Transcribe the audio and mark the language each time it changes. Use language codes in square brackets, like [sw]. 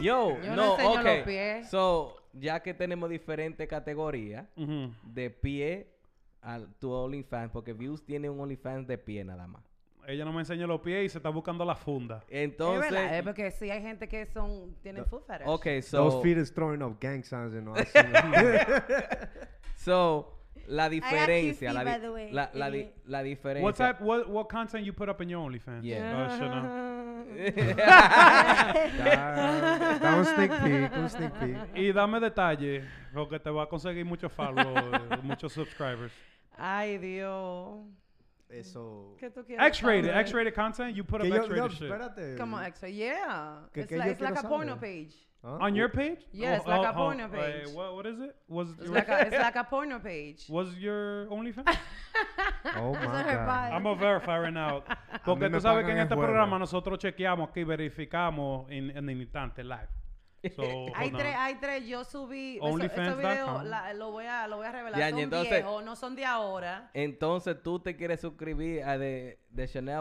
[es] Yo, no, ok. Yo no enseño los pies. So... ya que tenemos diferentes categorías de pie al tu OnlyFans, porque Views tiene un OnlyFans de pie nada más. Ella no me enseñó los pies y se está buscando la funda. Entonces... Es verdad, porque sí hay gente que son... Tienen foot fetish. [en] Ok, so... Those feet is throwing up gang signs and all. [es] So, la diferencia... La diferencia... [en] What type... What content you put up in your OnlyFans? Yeah. Oh, sure, no. [es] Dame un sneak peek, un sneak peek. Y dame detalle, porque te va a conseguir muchos followers, muchos subscribers. Ay, Dios... Eso. ¿Qué tú quieres? [en] X-rated, saber? X-rated content. You put up X-rated shit. [es] Espérate. [en] Come on, X-rated. Yeah. It's like a porno page. Huh? On your page? Yeah, it's like a porno page. What is it? Was it's, like a, it's like a porno page. Was your OnlyFans? Oh, my God. I'm going to verify right now. [es] Porque tú sabes que en este programa nosotros chequeamos aquí, verificamos en el instante live. So, hay tres, yo subí OnlyFans. Lo voy a revelar. Yeah, son entonces, viejos, no son de ahora. Entonces, ¿tú te quieres suscribir a de Chanel?